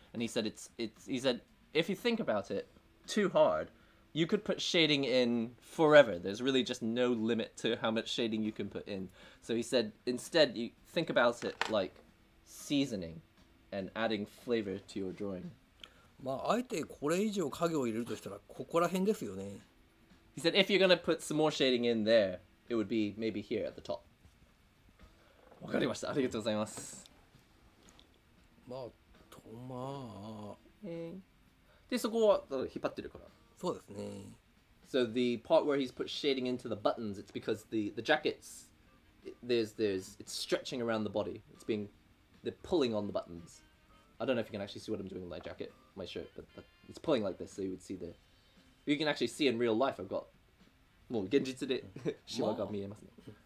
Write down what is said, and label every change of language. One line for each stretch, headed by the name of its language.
English: And he said, he said, if you think about it too hard, you could put shading in forever. There's really just no limit to how much shading you can put in. So he said, instead, you think about it like seasoning and adding flavor to your drawing.
Japanese: まあ、あえてこれ以上影を入れるとしたらここら辺ですよね。
English: He said, if you're going to put some more shading in there,It would be maybe here at the top.
Japanese: わかりました。ありがとうございます。まあ、とまあ。で、そこは引っ張ってるから。そうですね。
English: So the part where he's put shading into the buttons, it's because the jackets, it's stretching around the body. It's being, they're pulling on the buttons. I don't know if you can actually see what I'm doing with my jacket, my shirt, but it's pulling like this, so you would see the, you can actually see in real life I've got,
Japanese: もう現実でシワが見えますね、ま